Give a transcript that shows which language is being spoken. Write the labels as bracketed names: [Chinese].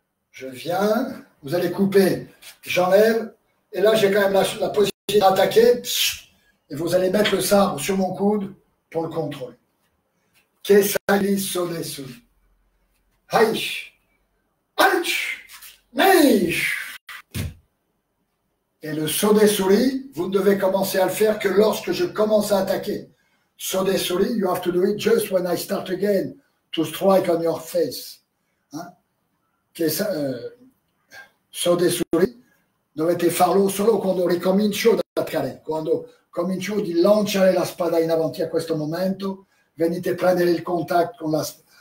[French] Je viens, vous allez couper, j'enlève et là j'ai quand même la possibilité d'attaquer et vous allez mettre le sabre sur mon coude pour le contrôle. Kesagiri Sodesuri. Aïch! Aïch! Aïch! Et le Sodesuri, vous ne devez commencer à le faire que lorsque je commence à attaquer. [English] Sodesuri, you have to do it just when I start again to strike on your face. Hein? [Italian] Sodesuri, dovete farlo solo quando ricomincio ad attaccare. Quando comincio di lanciare la spada in avanti a questo momento, venite prendere il contatto con la spada.